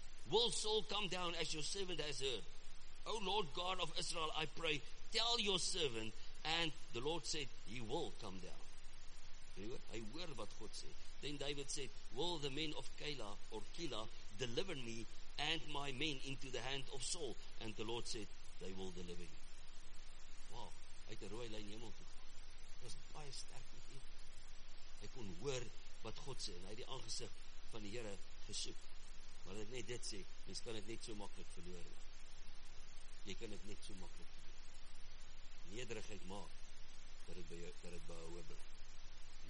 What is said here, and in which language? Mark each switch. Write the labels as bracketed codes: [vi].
[en] Will Saul come down as your servant has heard? O Lord God of Israel, I pray, tell your servant. And the Lord said, he will come down. [af] Hy hoor wat God sê. [en] Then David said, will the men of Keilah or Keilah deliver me and my men into the hand of Saul? And the Lord said, they will deliver you. [af] Wow, hy het 'n rooi lyn hemel toe. Dit was baie sterk met hom. Hy kon hoor wat God sê, en hy het die aangesig van die Here gesoek. Maar dat ek net dit sê, mens kan het net so makkelijk verloor. Jy kan het net so makkelijk verloor. Nederigheid maak dat het behouwe bly.